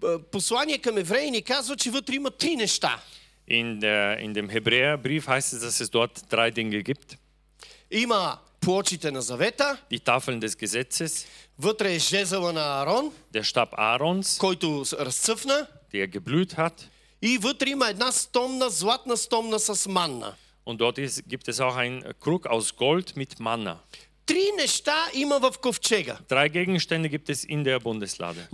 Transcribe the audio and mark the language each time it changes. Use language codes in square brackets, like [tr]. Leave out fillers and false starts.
[bg] Послание към евреи казва, че вътре има три неща. [de] In dem Hebräerbrief heißt es, dass es dort drei Dinge gibt. [bg] Има плочите на завета. [de] Die Tafeln des Gesetzes. [bg] Вътре е жезъла на Аарон. [de] Der Stab Aarons. [bg] Който разцъфна. [de] Der geblüht hat. [bg] И вътре има една стомна, златна стомна с манна. [de] Und dort gibt es auch einen Krug aus Gold mit Manna. [bg] Три неща има в ковчега. [de] Drei Gegenstände gibt es in der Bundeslade.